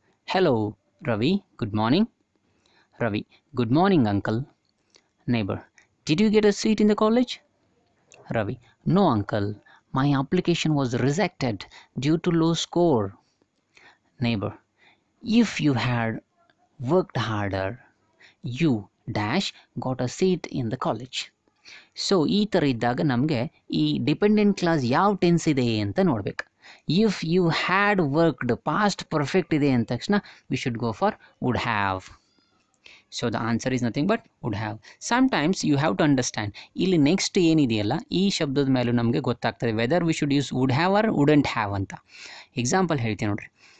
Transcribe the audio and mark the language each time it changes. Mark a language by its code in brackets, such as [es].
[en] Hello Ravi, good morning. Ravi, good morning uncle. Neighbour, did you get a seat in the college? Ravi, no uncle, my application was rejected due to low score. Neighbour, if you had worked harder. You dash got a seat in the college. [kn] So, ಈ ಥರ ಇದ್ದಾಗ ನಮಗೆ ಈ dependent class ಯಾವ tense ಇದೆ ಅಂತ ನೋಡ್ಬೇಕು. [en] if you had worked past perfect [kn] ಇದೆ ಅಂದ ತಕ್ಷಣ [en] We should go for would have. So the answer is nothing but would have. Sometimes you have to understand [kn] ಇಲ್ಲಿ ನೆಕ್ಸ್ಟ್ ಏನಿದೆಯಲ್ಲ ಈ ಶಬ್ದದ ಮೇಲೂ ನಮಗೆ ಗೊತ್ತಾಗ್ತದೆ [en] Whether we should use would have or wouldn't have ಅಂತ. [kn] ಎಕ್ಸಾಂಪಲ್ ಹೇಳ್ತೀನಿ ನೋಡ್ರಿ.